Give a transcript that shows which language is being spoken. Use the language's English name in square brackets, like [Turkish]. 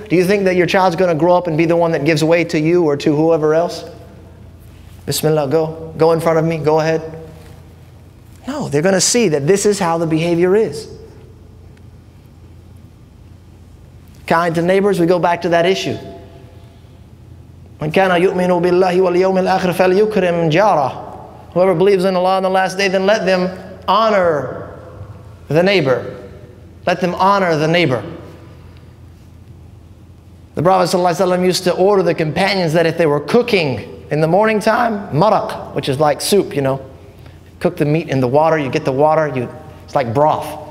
[English] Do you think that your child's going to grow up and be the one that gives way to you or to whoever else? Bismillah, go. Go in front of me. Go ahead. No, they're going to see that this is how the behavior is. Kind to neighbors, we go back to that issue. [Arabic] من كان يؤمن بالله واليوم الآخر فليكرم جاره. [English] Whoever believes in Allah on the last day, then let them honor the neighbor. Let them honor the neighbor. The Prophet ﷺ used to order the companions that if they were cooking in the morning time, maraq, which is like soup, you know, cook the meat in the water, you get the water, it's like broth.